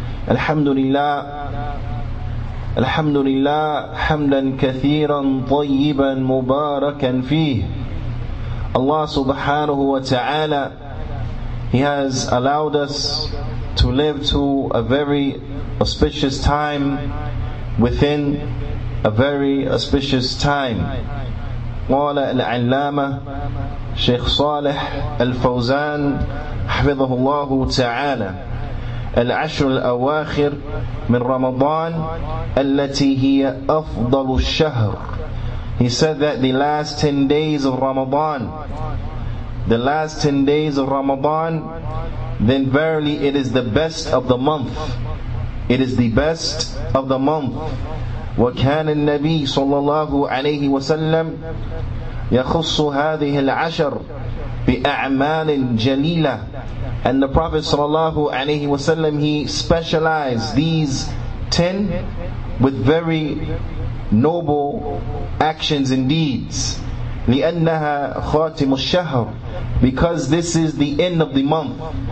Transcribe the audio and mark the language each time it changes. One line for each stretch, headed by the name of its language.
Arabic: الحمد لله الحمد لله حمدا كثيرا طيبا مباركا فيه الله سبحانه وتعالى
English: He has allowed us to live to a very auspicious time within a very auspicious time.
Arabic: قال العلامة شيخ صالح الفوزان حفظه الله تعالى العشر الأواخر من رمضان التي هي أفضل الشهر.
English: He said that the last 10 days of Ramadan, the last 10 days of Ramadan, then verily it is the best of the month. It is the best of the month.
Arabic: وكان النبي صلى الله عليه وسلم يخص هذه العشر بأعمال جليلة.
English: And the Prophet sallallahu alaihi wasallam, he specialized these 10 with very noble actions and deeds.
Arabic: لِأَنَّهَا خَاتِمُ الشَّهْرِ,
English: because this is the end of the month.